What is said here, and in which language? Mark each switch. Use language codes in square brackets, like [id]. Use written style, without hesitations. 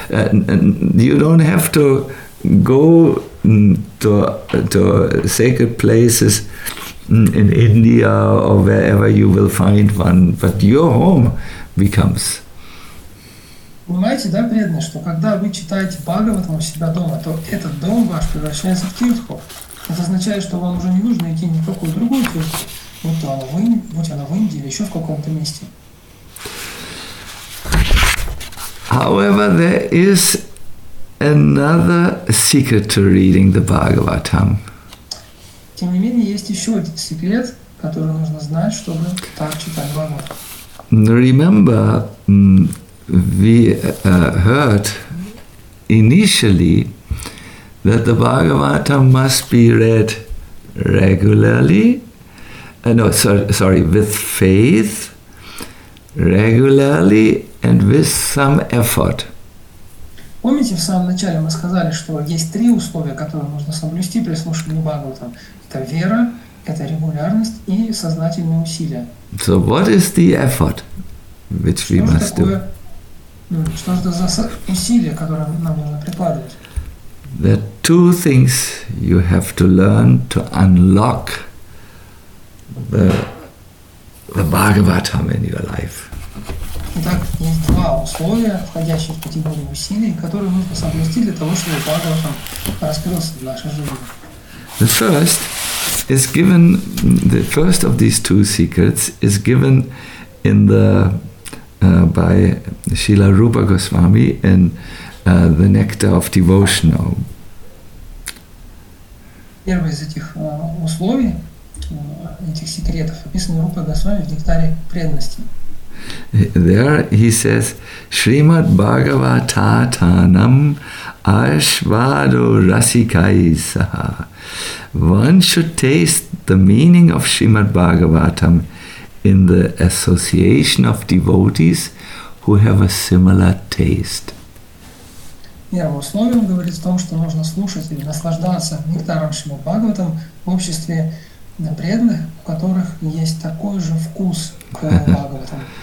[en] And you don't have to go to sacred places in India or wherever you will find one, but your home becomes. [ru] Понимаете, да, преданные, что когда вы читаете Бхагаватам у себя дома, то этот дом ваш превращается в тиртху. Это означает, что вам уже не нужно идти ни в какую другую тиртху, будь она в Индии или еще в каком-то месте. [en] However, there is another secret to reading the Bhagavatam. [ru] Тем не менее, есть еще один секрет, который нужно знать, чтобы так читать Бхагаватам. [en] Remember, we heard initially that the Bhagavatam must be read regularly. With faith, regularly, and with some effort. [ru] Помните, в самом начале мы сказали, что есть три условия, которые нужно соблюсти при слушании Бхагаватам. Это вера, это регулярность и сознательные усилия. [en] So what is the effort which we must do? [ru] Что это за усилия, которые нам нужно прикладывать? [en] There are two things you have to learn to unlock the Bhagavatam in your life. [ru] Итак, есть два условия, входящие в категорию усилий, которые нужно соблюсти для того, чтобы Бхагаватам раскрылся в нашей жизни. [en] The first is given, the first of these two secrets is given in the by Srila Rupa Goswami in the Nectar of Devotion. [ru] Первый из этих условий, этих секретов, описан Рупа Госвами в Нектаре преданности. [en] There he says, [sa] Shrimad Bhagavatatanam Ashvado Rasikai Saha. [en] One should taste the meaning of Shrimad Bhagavatam in the association of devotees who have a similar taste. [ru] Первым условием говорит о том, что нужно слушать и наслаждаться нектаром Шримад Бхагаватам в обществе преданных, у которых есть такой же вкус к Бхагаватам.